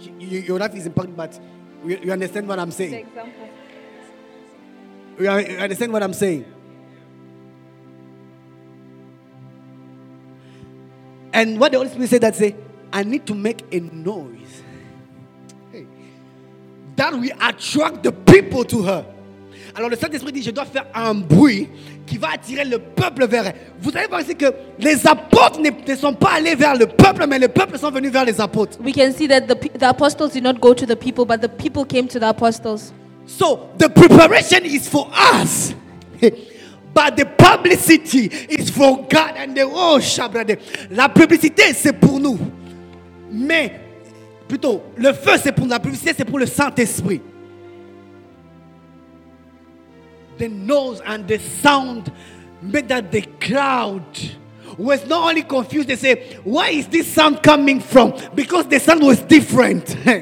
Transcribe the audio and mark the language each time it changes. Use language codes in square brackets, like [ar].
[en] Your life is impactful, but. You understand what I'm saying? The example. You understand what I'm saying? And what the Holy Spirit said, that say, I need to make a noise. That we attract the people to her. [fr] Alors le Saint-Esprit dit, je dois faire un bruit qui va attirer le peuple vers elle. Vous avez pensé que les apôtres ne sont pas allés vers le peuple, mais les peuples sont venus vers les apôtres. [en] We can see that the apostles did not go to the people, but the people came to the apostles. So, the preparation is for us. But the publicity is for God and the world, Shabrade. [fr] La publicité, c'est pour nous. Mais, plutôt, le feu, c'est pour nous. La publicité, c'est pour le Saint-Esprit. [en] The noise and the sound made that the crowd was not only confused, they said, where is this sound coming from? Because the sound was different.